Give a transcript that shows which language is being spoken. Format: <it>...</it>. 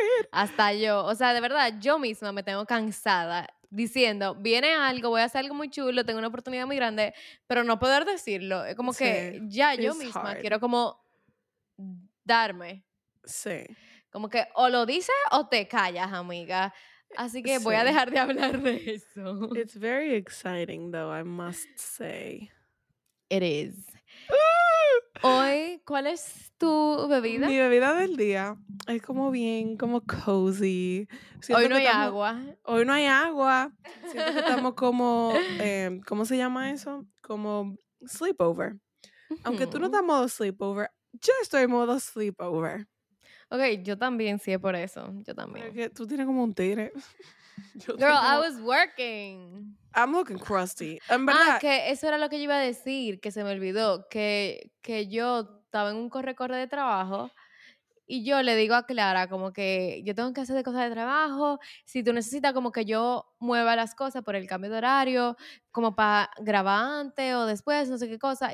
<es>Hasta yo, o sea, de verdad, yo misma me tengo cansada diciendo, viene algo, voy a hacer algo muy chulo, tengo una oportunidad muy grande, pero no poder decirlo, es como que ya yo misma quiero como darme. Sí. Como que o lo dices o te callas, amiga. Así que voy a dejar de hablar de eso.</es> <en>It's very exciting, though, I must say. It is.</en> <es>Hoy, ¿cuál es tu bebida? Mi bebida del día es como bien, como cozy. Siento hoy no hay agua. Hoy no hay agua. Siento que estamos como, ¿cómo se llama eso? Como sleepover. Mm-hmm. Aunque tú no estás en modo sleepover, yo estoy en modo sleepover. Ok, yo también, sí, es por eso. Yo también. Es que tú tienes como un tigre.</es> <en>Girl,</en> <es>tengo...</es> <en>I was working. I'm looking crusty.</en> <es>En verdad... Ah, que eso era lo que yo iba a decir, que se me olvidó. Que yo estaba en un corre-corre de trabajo y yo le digo a Clara como que yo tengo que hacer de cosas de trabajo. Si tú necesitas como que yo mueva las cosas por el cambio de horario, como para grabar antes o después, no sé qué cosa.</es>